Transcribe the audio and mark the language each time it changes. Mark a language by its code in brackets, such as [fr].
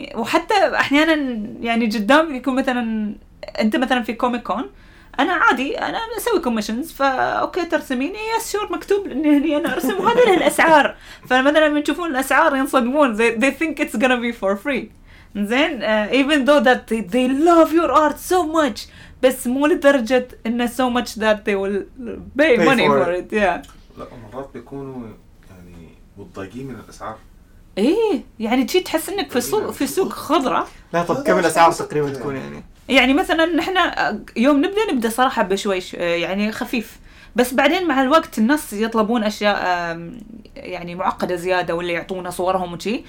[ar] وحتى احيانا يعني قدام يكون مثلا انت مثلا في كوميك كون، انا عادي انا اسوي كوميشنز، فا اوكي ترسميني يا شور، مكتوب اني هني انا ارسم هذه الاسعار. فمثلا لما يشوفون الاسعار ينصدمون، [en] they think it's gonna be for free. [ar] زين [en] even though that they love your art so much، [ar] بس مو لدرجة انه [en] so much that they will pay money for it. [ar] لا مرات بيكونوا يعني متضايقين من الاسعار. ايه يعني تجي تحس انك في سوق خضرة. لا طب كم الاسعار تقريبا تكون يعني؟ يعني مثلا نحن يوم نبدا صراحه بشويش يعني خفيف، بس بعدين مع الوقت الناس يطلبون اشياء يعني معقده زياده، واللي يعطونا صورهم وشي.